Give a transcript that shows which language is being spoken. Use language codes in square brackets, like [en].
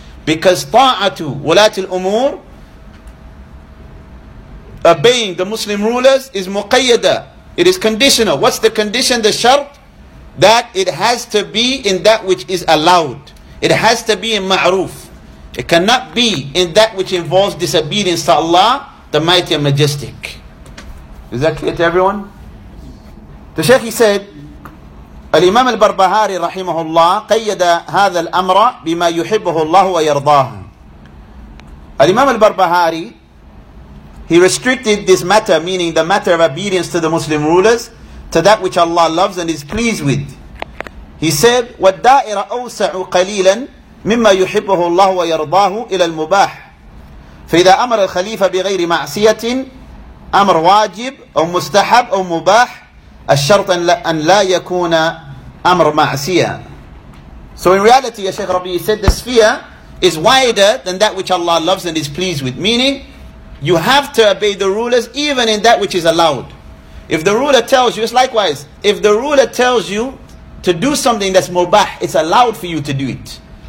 [en] Because [ar] ta'atu wulat al-umur, [en] obeying the Muslim rulers, is muqayyada. It is conditional. What's the condition, the shart? That it has to be in that which is allowed. It has to be in ma'roof. It cannot be in that which involves disobedience to Allah, the Mighty and Majestic. Is that clear to everyone? The Shaykh, he said, [ar] الإمام البربهاري رحمه الله قيد هذا الأمر بما يحبه الله ويرضاه. [en] الإمام البربهاري, he restricted this matter, meaning the matter of obedience to the Muslim rulers, to that which Allah loves and is pleased with. He said, [ar] والدائرة أوسع قليلا مما يحبه الله ويرضاه إلى المباح. فإذا أمر الخليفة بغير معصية أمر واجب أو مستحب أو مباح الشرط أن لا يكون أمر معصية. [en] So in reality, as Shaykh Rabi said, the sphere is wider than that which Allah loves and is pleased with. Meaning, you have to obey the rulers even in that which is allowed. If the ruler tells you, it's likewise, if the ruler tells you to do something that's mubah, it's allowed for you to do it.